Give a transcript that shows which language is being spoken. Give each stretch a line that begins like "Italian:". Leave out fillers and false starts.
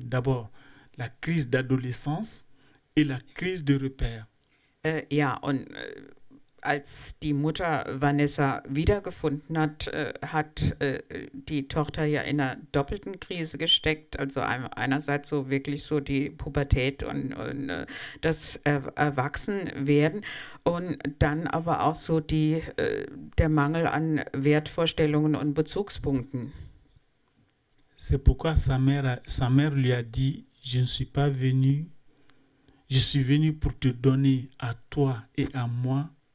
French: D'abord la crise d'adolescence et la crise de repère.
German: Ja, und als die Mutter Vanessa wiedergefunden hat, hat die Tochter ja in einer doppelten Krise gesteckt. Also einerseits so wirklich so die Pubertät und das Erwachsenwerden und dann aber auch so der Mangel an Wertvorstellungen und Bezugspunkten.
French: C'est pourquoi sa mère lui a dit, je ne suis pas venu, je suis venu pour te donner à toi et à moi.